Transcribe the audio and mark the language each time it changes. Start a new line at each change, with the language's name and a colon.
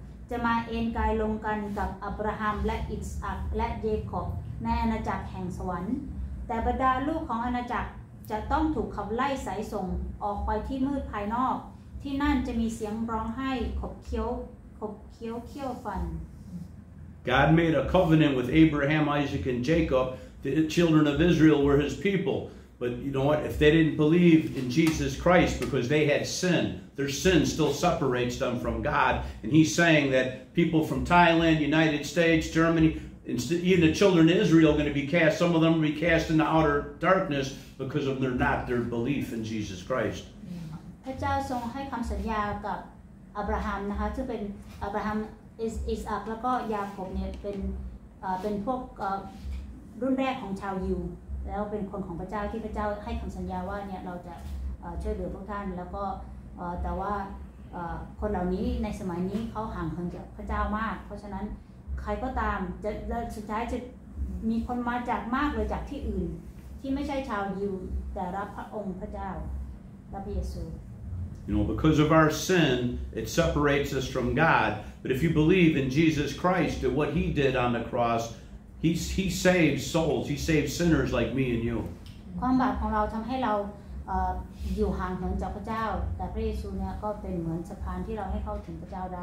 Thai: จะมาเอนกายลงกันกับอับราฮัมและอิสอัคและเยคอบในอาณาจักรแห่งสวรรค์แต่บรรดาลูกของอาณาจักรจะต้องถูกขับไล่สายส่งออกไปที่มืดภายนอกที่นั่นจะมีเสียงร้องไห้ขบเคี้ยวเคี้ยวฟัน
English: God made a covenant with Abraham, Isaac, and Jacob, the children of Israel were his people. But you know what? If they didn't believe in Jesus Christ because they had sin. Their sin still separates them from God. And he's saying that people from Thailand, United States, Germany, and even the children of Israel are going to be cast, some of them will be cast into outer darkness because of their not their belief in Jesus Christ.
Thai: พระเจ้าทรงให้คำสัญญากับอับราฮัมนะคะซึ่งเป็นอับราฮัมอิสอัคแล้วก็ยาโคบเนี่ยเป็นพวก รุ่นแรกของชาวยิวแล้วเป็นคนของพระเจ้าที่พระเจ้าให้คำสัญญาว่าเนี่ยเราจะช่วยเหลือพวกท่านแล้วก็แต่ว่าคนเหล่านี้ในสมัยนี้เขาห่างเหินจากพระเจ้ามากเพราะฉะนั้นใครก็ตามจะสุดท้ายจะมีคนมาจากมากเลยจากที่อื่นที่ไม่ใช่ชาวยิวแต่รับพระองค์พระเจ้ารับเยซู
English: You know, because of our sin, it separates us from God. But if you believe in Jesus Christ and what he did on the cross, he saves souls. He saves sinners like me and you.
Thai: ความบาปของเราทำให้เราอยู่ห่างเหินจากพระเจ้าแต่พระเยซูเนี่ยก็เป็นเหมือนสะพานที่เราให้เข้าถึงพระเจ้าได